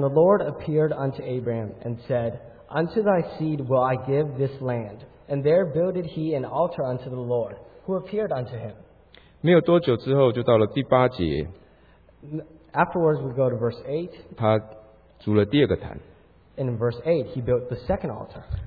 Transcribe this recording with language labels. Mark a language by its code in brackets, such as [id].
[en] the Lord appeared unto Abraham and said, "Unto thy seed will I give this land." And there builded he an altar unto the Lord, who appeared unto him. [zh] 没有多久之后，就到了第八节。 [en] Afterwards, we go to verse 8. [zh] 他筑了第二个坛。 [en] In verse 8, he built the second altar.